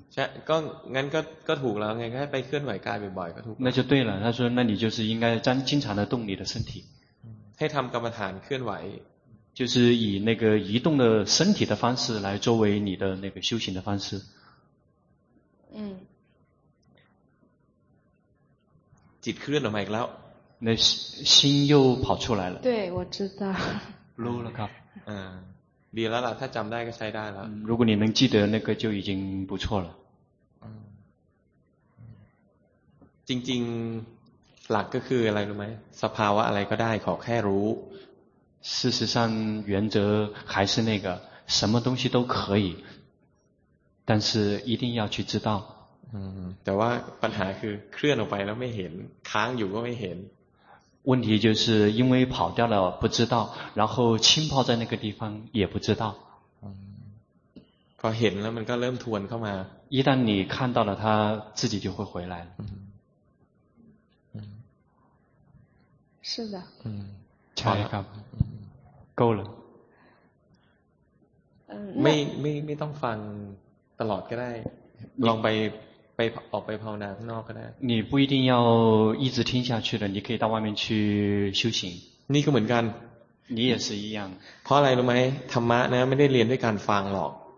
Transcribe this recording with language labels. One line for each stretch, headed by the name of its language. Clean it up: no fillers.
Thai: ใช่ก็งั้นก็ถูกแล้วไงให้ไปเคลื่อนไหวกายบ่อยๆก็ถูก
Chinese: 那就对了他说那你就是应该真经常的动你的身体
Thai: ให้ทำกรรมฐานเคลื่อนไหว
Chinese: 就是以那个移动的身体的方式来作为你的那个修行的方式
Thai: จิตเคลื่อนออกมาอีกแล้ว
Chinese: 那心又跑出来了对我知道
Thai: รู้了ครับ ดีแล้วล่ะถ้าจำได้ก็ใช้ได้แล้ว
Chinese: 如果你能记得那个就已经不错了
Thai: จริงๆหลักก็คืออะไรรู้ไหมสภาวะอะไรก็ได้ขอแค่รู้
Chinese: 事实上原则还是那个什么东西都可以但是一定要去知道
Thai: แต่ว่าปัญหาคือเคลื่อนออกไปแล้วไม่เห็นค้างอยู่ก็ไม่เห็น
Chinese: 问题就是因为跑掉了不知道然后浸泡在那个地方也不知道
Thai: พอเห็นแล้วมันก็เริ่มทวนเข้ามา
Chinese: 一旦你看到了它自己就会回来是的
Thai: ใช่ครับ
Chinese: 够了
Thai: ไม่ต้องฟังตลอดก็ได้ลองไปออกไปภาวนาข้างนอกก็ได้
Chinese: 你不一定要一直听下去的你可以到外面去修行
Thai: นี่ก็เหมือนกัน
Chinese: 你也是一样
Thai: เพราะอะไรรู้ไหมธรรมะนะไม่ได้เรียนด้วยการฟังหรอก